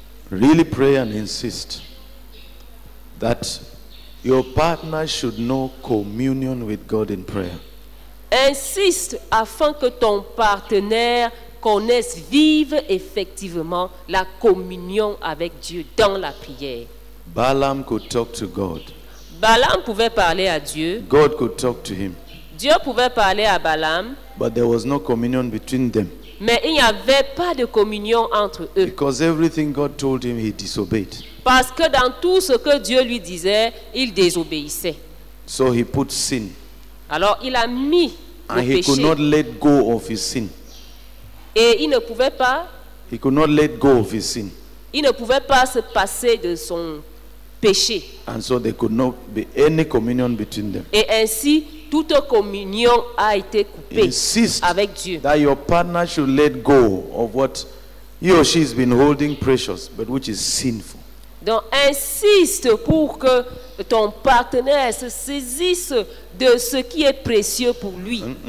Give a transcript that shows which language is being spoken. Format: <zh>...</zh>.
<en>Really pray and insist that your partner should know communion with God in prayer.</en> <fr>Insiste afin que ton partenaire connaisse vive effectivement la communion avec Dieu dans la prière.</fr> <en>Balaam could talk to God.</en> <fr>Balaam pouvait parler à Dieu.</fr> <en>God could talk to him.</en> <fr>Dieu pouvait parler à Balaam.</fr> <en>But there was no communion between them.</en> <fr>Mais il n'y avait pas de communion entre eux.</fr> <en>Because everything God told him, he disobeyed.</en> <fr>Parce que dans tout ce que Dieu lui disait, il désobéissait.</fr> <en>So he put sin.</en> <fr>Alors il a mis</fr> <en>and</en> <fr>le péché.</fr> <en>Could not let go of his sin.</en> <fr>Et il ne pouvait pas.</fr> <en>He could not let go of his sin.</en> <fr>Il ne pouvait pas se passer de son péché.</fr> <en>And so there could not be any communion between them.</en> <fr>Et ainsi, toute communion a été coupée.</fr> <en>Insist</en> <fr>avec Dieu.</fr> <en>That your partner should let go of what he or she has been holding precious, but which is sinful.</en> <fr>Donc, insiste pour que ton partenaire se saisisse de ce qui est précieux pour lui.</fr>